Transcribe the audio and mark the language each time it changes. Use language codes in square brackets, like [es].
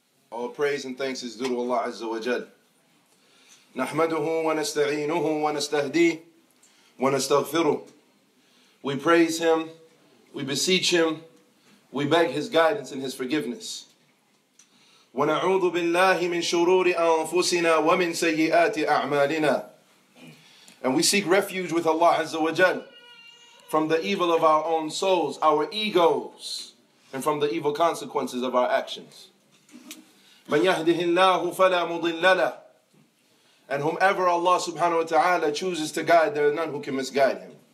[en] All praise and thanks is due to Allah Azza wa Jal. [ar] نحمده ونستعينه ونستهديه ونستغفره. [en] We praise him, we beseech him, we beg his guidance and his forgiveness. [ar] ونعوذ بالله من شرور أنفسنا ومن سيئات أعمالنا. [en] And we seek refuge with Allah Azza wa Jal from the evil of our own souls, our egos, and from the evil consequences of our actions. [ar] من يهده الله فلا مضل له. [en] And whomever Allah subhanahu wa ta'ala chooses to guide, there are none who can misguide him.